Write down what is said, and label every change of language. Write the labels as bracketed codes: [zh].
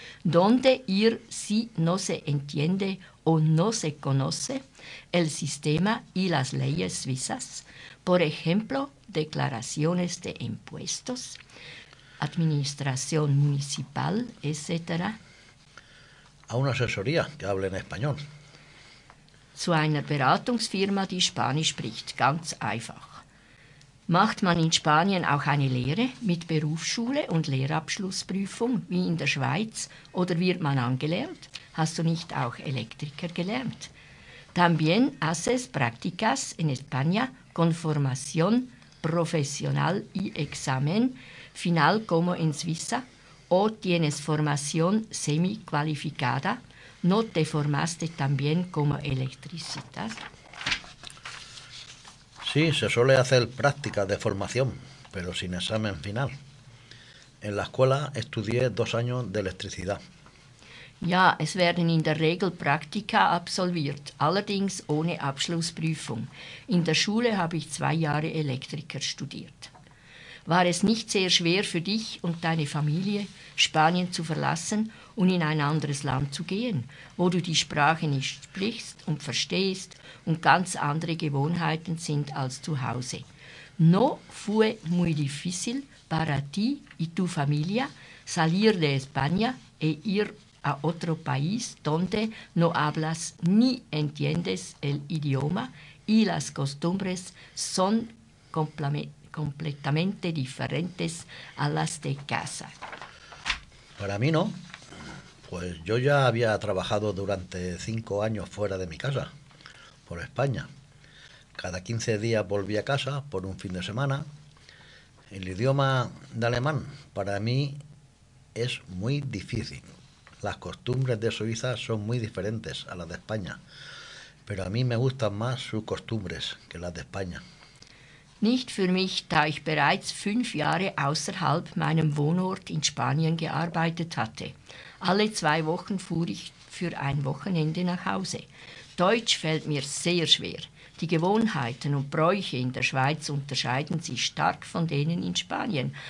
[es] Donde ihr si no se entiende o no se conoce el sistema y las leyes suizas? Por ejemplo, declaraciones de impuestos, administración municipal etc. A una asesoría que hable en español. [de] Zu einer Beratungsfirma, die Spanisch spricht, ganz einfach. Macht man in Spanien auch eine Lehre mit Berufsschule und Lehrabschlussprüfung, wie in der Schweiz, oder wird man angelernt? Hast du nicht auch Elektriker gelernt? [es] También haces prácticas en España con formación profesional y examen final como en Suiza, o tienes formación semi-cualificada. ¿No te formaste también como electricidad? Sí, se suele hacer prácticas de formación, pero sin examen final. En la escuela estudié 2 años de electricidad. [de] Ja, es werden in der Regel Praktika absolviert, allerdings ohne Abschlussprüfung. In der Schule habe ich 2 Jahre Elektriker studiert. War es nicht sehr schwer für dich und deine Familie, Spanien zu verlassen und in ein anderes Land zu gehen, wo du die Sprache nicht sprichst und verstehst und ganz andere Gewohnheiten sind als zu Hause? [es] ¿No fue muy difícil para ti y tu familia salir de España e ir a otro país donde no hablas ni entiendes el idioma y las costumbres son completamente diferentes a las de casa. Para mí no, pues yo ya había trabajado durante 5 años fuera de mi casa, por España. Cada 15 días volví a casa por un fin de semana. El idioma de alemán para mí es muy difícil. Las costumbres de Suiza son muy diferentes a las de España, pero a mí me gustan más sus costumbres que las de España. [de] Nicht für mich, da ich bereits 5 Jahre außerhalb meinem Wohnort in Spanien gearbeitet hatte. Alle 2 Wochen fuhr ich für ein Wochenende nach Hause. Deutsch fällt mir sehr schwer. Die Gewohnheiten und Bräuche in der Schweiz unterscheiden sich stark von denen in Spanien.